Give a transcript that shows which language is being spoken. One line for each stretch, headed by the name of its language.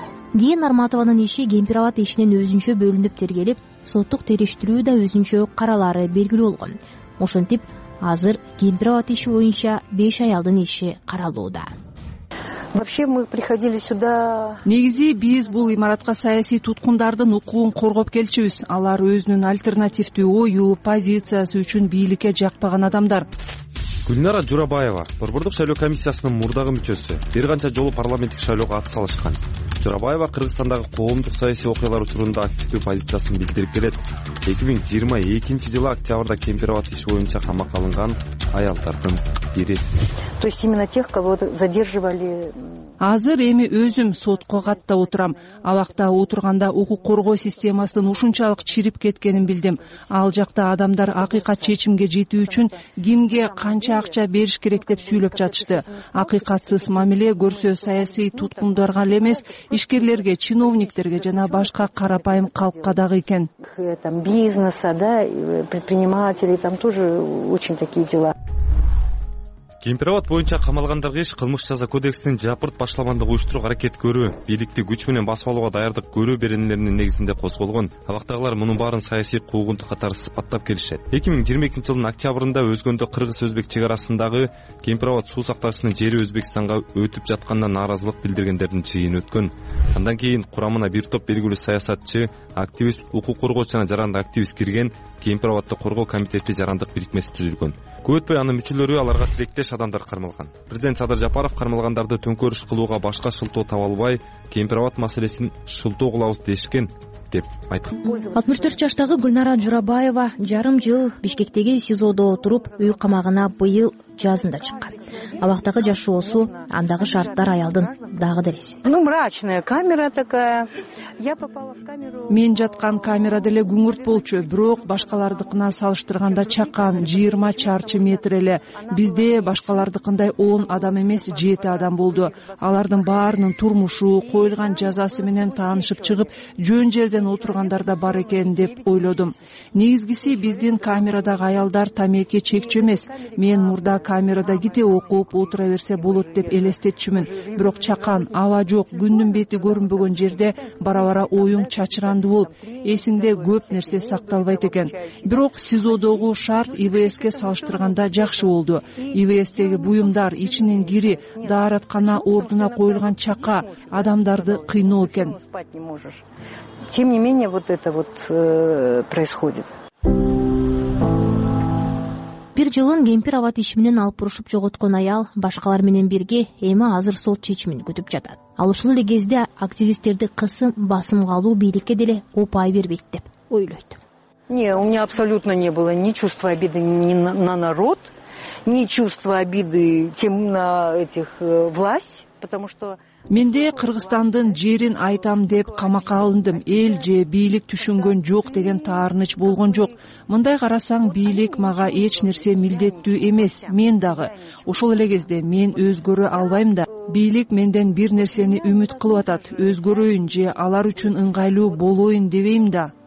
Kyrgyz: Дээн Нарматованын иши Кемпир абат ишинен өзүнчө бөлүнүп тергелип, соттук териштирүү да өзүнчө каралары белгилүү болгон. Ошентип, азыр Кемпир абат иши боюнча 5 аялдын иши каралууда.
Russian: Вообще мы приходили сюда.
Kyrgyz: Негизи биз бул имаратка саясий туткундардын укугун коргоп келчүбүз. Алар өзүнүн альтернативдүү ою, позициясы үчүн бийликке жакпаган адамдар. Гүлнара Журабаева, борбордук шайлоо комиссиясынын мурдагы мүчөсү, бир канча жолу парламенттик шайлоого ат салышкан. Журабаева Кыргызстандагы коомдук саясий окуялар учурунда активдүү позициясын билдирип келет. 2022 жылы октябрда Кемпир абат иши боюнча камакка алынган аялдардын бири.
Russian: То есть именно тех, кого задерживали.
Kyrgyz: Азыр эми өзүм сотко каттап отурам. Абакта отурганда укук коргоо системасынын ушунчалык чирип кеткенин билдим. Ал жакта адамдар акыйкат чечимге жетүү үчүн кимге канча акча бериш керек деп сүйлөп жатышты. Акыйкатсыз мамиле көрсө саясий туткундарга эле эмес, ишкерлерге, чиновниктерге жана башка карапайым калкка дагы экен.
Russian: Там бизнеса, да, предприниматели, там тоже очень такие дела.
Kyrgyz: Кемпир абат боюнча камалгандарга иш кылмыш жаза кодексинин жапырт башламандык уюштуруу аракет көрүү, бийликти күч менен басып алууга даярдык көрүү беренелеринин негизинде козголгон. Абактагылар мунун баарын саясий куугунтук катары сыпаттап келишет. 2022 жылдын октябрында өзгөндө кыргыз өзбек чек арасындагы Кемпир абат суу сактагычынын жери Өзбекстанга өтүп жатканына нааразылык билдиргендердин чыйыны өткөн. Андан кийин курамына бир топ белгилүү саясатчы, активист, укук коргоочу жана жарандык активист кирген Кемпир абатты коргоо комитети жарандык бирикмеси түзүлгөн. Көп өтпөй анын мүчөлөрү аларга тилектеш адамдар кармалган. Президент Садыр Жапаров кармалгандарды төңкөрүш кылууга башка шылтоо таба албай, Кемпир абат маселесин шылтоо кылабыз дешкен деп айткан. 64 жаштагы Гүлнара Журабаева жарым жыл Бишкектеги СИЗОдо отуруп, үй камагына быйыл жазында чыккан. абактагы жашоосу, андагы шарттар аялдын дагы деле.
Russian: Ну, мрачная камера такая. Я попала в камеру.
Kyrgyz: Мен жаткан камера деле күңүрт болчу, бирок башкалардыкына салыштырганда чакан 20 чарчы метр эле. Бизде башкалардыкындай 10 адам эмес, 7 адам болду. Алардын баарынын турмушу, коюлган жазасы менен таанышып чыгып, жөн жерден отургандар да бар экен деп ойлодум. Негизгиси биздин камерадагы аялдар тамеки чекчү эмес. Мен мурда камерада кете окуп отура берсе болот деп элестетчүмүн. Бирок чакан, аба жок, күндүн бети көрүнбөгөн жерде бара-бара оюң чачыранды болуп, эсиңде көп нерсе сакталбайт экен. Бирок СИЗОдогу шарт ИВСке салыштырганда жакшы болду. ИВСтеги буюмдар, ичинин кири, дааратканага ордуна коюлган чака адамдарды кыйноо экен.
Russian: Тем не менее, вот это вот происходит.
Kyrgyz: Бир жылын кемпир абат иши менен алып урушуп жоготкон аял башкалар менен бирге эми азыр сот чечимин күтүп жатат. Ал ушул эле кезде активисттерди кысым басымга алуу бийликке деле упай бербейт деп ойлойт.
Russian: Не, у меня абсолютно не было ни чувства обиды ни на народ, ни чувства обиды тем на этих власть. Потому что
Kyrgyz: менде Кыргызстандын жерин айтам деп камакка алындым. Эл же бийлик түшүнгөн жок деген таарыныч болгон жок. Мындай карасаң, бийлик мага эч нерсе милдеттүү эмес. Мен дагы ошол эле кезде мен өзгөрө албайм да. Бийлик менден бир нерсени үмүт кылып атат. Өзгөрөйүн же алар үчүн ыңгайлуу болоюн дебейм да.